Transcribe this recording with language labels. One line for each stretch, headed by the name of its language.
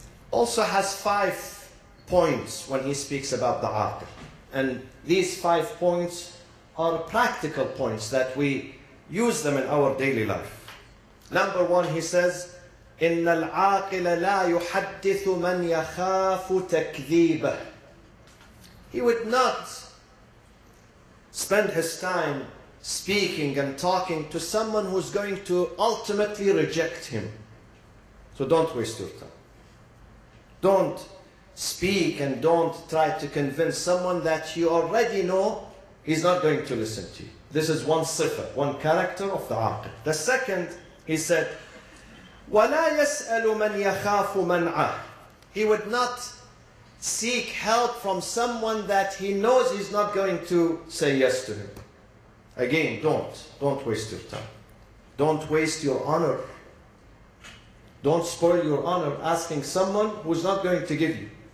English: Also has 5 points when he speaks about the aqil. And these 5 points are practical points that we use them in our daily life. Number one, he says,
Arabic: إِنَّ الْعَاقِلَ لَا يُحَدِّثُ مَنْ يَخَافُ تَكْذِيبَهُ.
English: He would not spend his time speaking and talking to someone who's going to ultimately reject him. So don't waste your time. Don't speak and don't try to convince someone that you already know he's not going to listen to you. This is one sifat, one character of the aqil. The second, he said,
Arabic: وَلَا يَسْأَلُ مَنْ يَخَافُ مَنْعَهُ.
English: He would not seek help from someone that he knows he's not going to say yes to him. Again, don't waste your time. Don't waste your honor. Don't spoil your honor asking someone who's not going to give you.